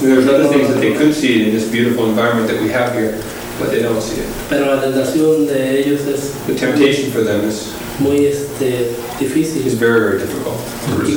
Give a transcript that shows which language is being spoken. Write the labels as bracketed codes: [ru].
[en] There's other things that they could see in this beautiful environment that we have here. But they don't see it. [es] Pero la tentación de ellos es [en] the temptation for them is [es] muy difícil. [en] Is very, very difficult to resist.